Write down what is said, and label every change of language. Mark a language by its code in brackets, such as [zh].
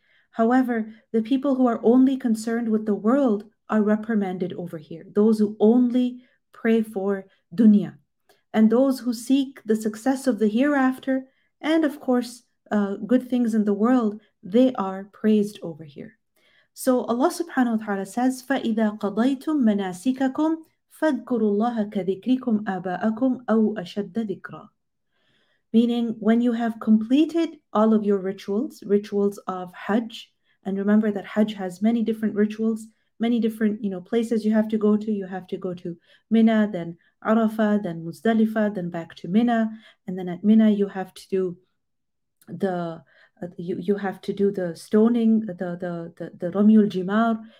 [en] However, the people who are only concerned with the world are reprimanded over here, those who only pray for dunya, and those who seek the success of the hereafter, and of course, good things in the world, they are praised over here. [ar] So Allah subhanahu wa ta'ala says, فَإِذَا قَضَيْتُم مَنَاسِكَكُمْ فَاذْكُرُوا اللَّهَ كَذِكْرِكُمْ أَبَاءَكُمْ أَوْ أَشَدَّ ذِكْرًا. [en] Meaning, when you have completed all of your rituals, rituals of Hajj, and remember that Hajj has many different rituals, many different places you have to go to. You have to go to Mina, then Arafah, then Muzdalifah, then back to Mina, and then at Mina you have to do the you have to do the stoning, the Ramyul Jimar.